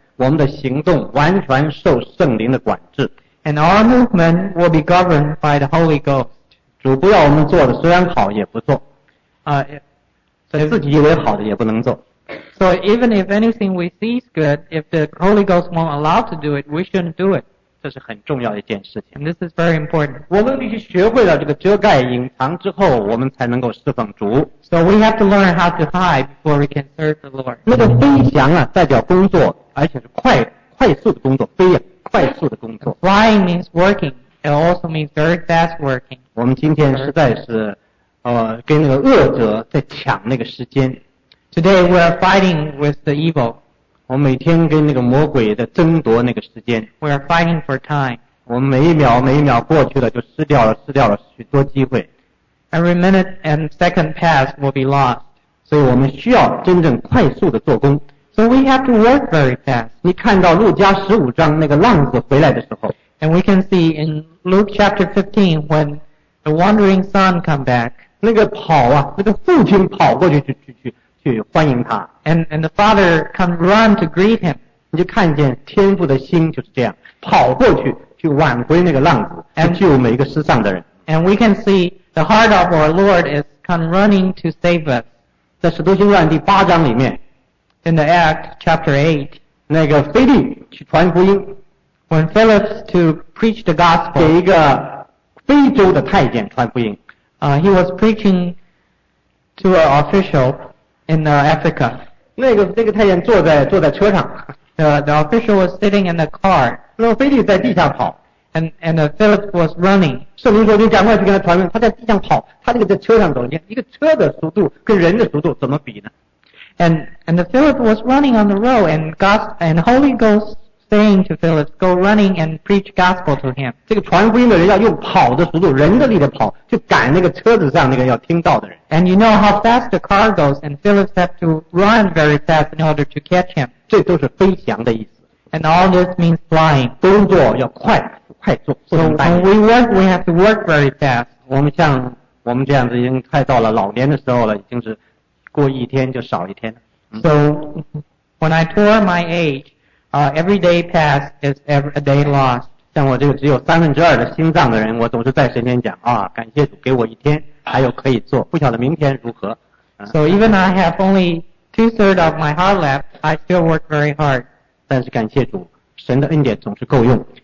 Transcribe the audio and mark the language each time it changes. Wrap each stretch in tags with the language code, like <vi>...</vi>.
<zh>我们的行动完全受圣灵的管制。</zh> <en>And our movement will be governed by the Holy Ghost.</en> <zh>主不要我们做的虽然好也不做。</zh> <en>If,</en> <zh>自己以为好的也不能做。</zh> <en>So even if anything we see is good, if the Holy Ghost won't allow to do it, we shouldn't do it.</en> <zh>这是很重要的一件事情。</zh> <en>And this is very important.</en> <zh>我们必须学会了这个遮盖隐藏之后，我们才能够侍奉主。</zh> <en>So we have to learn how to hide before we can serve the Lord.</en> <zh>那个飞翔啊，代表工作。而且是快速的工作，飞呀，快速的工作。</zh> <en>Flying means working. It also means very fast working.</en> <zh>我们今天实在是，跟那个恶者在抢那个时间。</zh> <en>Today we are fighting with the evil.</en> <zh>我每天跟那个魔鬼在争夺那个时间。</zh> <en>We are fighting for time.</en> <zh>我们每一秒每一秒过去了，就失掉了许多机会。</zh> <en>Every minute and second pass will be lost.</en> <zh>所以我们需要真正快速的做工。</zh> <en>So we have to work very fast.</en> <zh>你看到路加十五章那个浪子回来的时候。</zh> <en>And we can see in Luke chapter 15 when the wandering son come back.</en> <zh>那个跑啊，那个父亲跑过去去去去去欢迎他。</zh> <en>And the father come run to greet him.</en> <zh>你就看见天父的心就是这样，跑过去去挽回那个浪子，去救每一个失丧的人。</zh> <en>And we can see the heart of our Lord is come running to save us.</en> <zh>在使徒行传第八章里面</zh> <en>，In the Act chapter 8,</en> <zh>那个腓力去传福音。</zh> <en>When Philip to preach the gospel,</en> <zh>给一个非洲的太监传福音。</zh> <en>He was preaching to an official in Africa.</en> <zh>那个太监坐在车上。</zh> <en>The official was sitting in the car.</en> <zh>那腓力在地下跑。</zh> <en>And Philip was running.</en> <zh>圣灵说你赶快去跟他传福音。他在地上跑，他那个在车上走，一个车的速度跟人的速度怎么比呢？</zh> <en>And Philip was running on the road, and God and Holy Ghost. Saying to Philip, go running and preach gospel to him.</en> <zh>这个传福音的人要用跑的速度，人的力的跑，去赶那个车子上那个要听到的人。</zh> <en>And you know how fast the car goes, and Philip had to run very fast in order to catch him.</en> <zh>这都是飞翔的意思。</zh> <en>And all this means flying.</en> <zh>工作要快，快做，不能耽误。</zh> <en>So when we work, we have to work very fast.</en> <zh>我们像我们这样子，已经快到了老年的时候了，已经是过一天就少一天。</zh> <en>So when I tore my age. Every day passed is a day lost.</en> <zh>像我这个只有三分之二的心脏的人，我总是在神前讲啊，感谢主给我一天，还有可以做，不晓得明天如何。</zh> <en>So even I have only two-thirds of my heart left, I still work very hard.</en> <zh>但是感谢主，神的恩典总是够用。</zh>